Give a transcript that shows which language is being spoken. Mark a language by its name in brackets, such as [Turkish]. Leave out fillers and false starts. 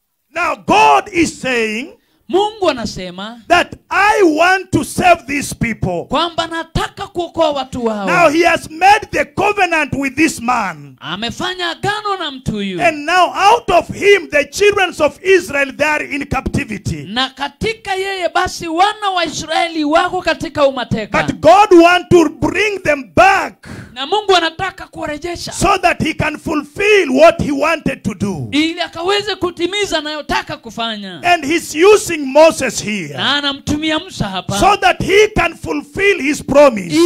[English] Now God is saying. [Swahili] Mungu anasema. [English] That I want to save these people. [Swahili] Kwamba nataka kuokoa watu wao. [English] Now he has made the covenant with this man. [Swahili] Amefanya agano na mtu huyu. [English] And now out of him the children of Israel they are in captivity. [Swahili] Na katika yeye basi wana wa Israeli wako katika umateka. [English] But God want to bring them back. [Swahili] Na Mungu anataka kuwarejesha. [English] So that he can fulfill what he wanted to do. [Swahili] Ili akaweze kutimiza anayotaka kufanya. [English] And he's using Moses here. [Swahili] Na anamtumia Musa hapa. [English] So that he can fulfill his promise.